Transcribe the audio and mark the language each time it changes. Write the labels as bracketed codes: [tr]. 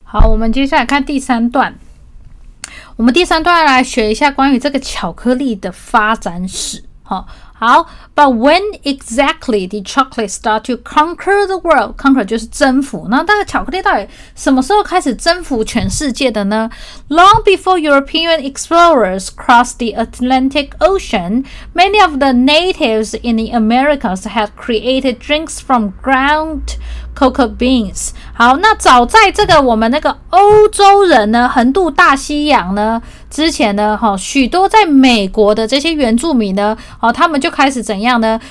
[zh] 好，我们接下来看第三段。我们第三段来学一下关于这个巧克力的发展史。 [en] 好 ，But when exactly did chocolate start to conquer the world? Conquer [zh] 就是征服。那这个巧克力到底什么时候开始征服全世界的呢 [en] ？Long before European explorers crossed the Atlantic Ocean, many of the natives in the Americas had created drinks from ground cocoa beans. [zh] 好，那早在这个我们那个欧洲人呢，横渡大西洋呢。之前呢，许多在美国的这些原住民呢，他们就开始怎样呢？